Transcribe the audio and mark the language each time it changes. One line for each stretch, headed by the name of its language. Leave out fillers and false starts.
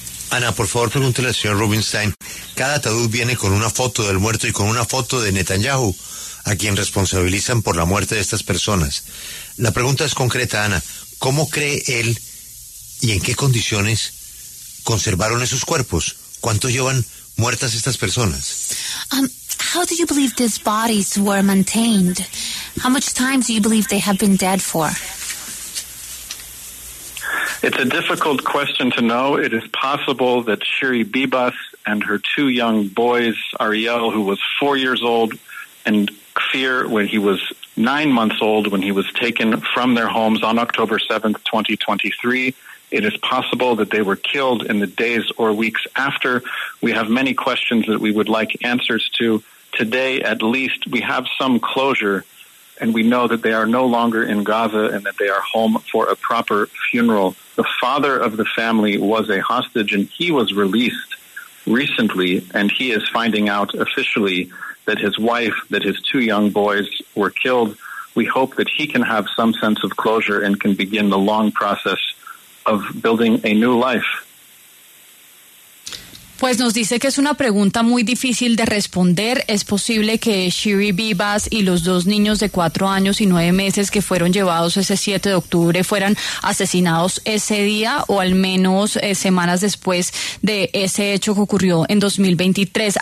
Spanish: Ana, por favor, pregúntele al señor Rubinstein. Cada ataúd viene con una foto del muerto y con una foto de Netanyahu. a quien responsabilizan por la muerte de estas personas. La pregunta es concreta, Ana. ¿Cómo cree él y en qué condiciones conservaron esos cuerpos? ¿Cuánto llevan muertas estas personas?
English: How do you believe these bodies were maintained? How much time do you believe they have been dead for? It's a difficult question to know. It is possible that Shiri Bibas and her two young boys, Ariel, who was 4 years old, and Kfir, when he was 9 months old, when he was taken from their homes on October 7th, 2023, it is possible that they were killed in the days or weeks after. We have many questions that we would like answers to. Today, at least, we have some closure, and we know that they are no longer in Gaza and that they are home for a proper funeral. The father of the family was a hostage, and he was released recently, and he is finding out officially that his wife, that his two young boys were killed. We hope that he can have some sense of closure and can begin the long process of building a new life.
Spanish: Pues nos dice que es una pregunta muy difícil de responder. Es posible que Shiri Bibas y los dos niños de 4 años y 9 meses que fueron llevados ese 7 de octubre fueran asesinados ese día o al menos semanas después de ese hecho que ocurrió en 2023.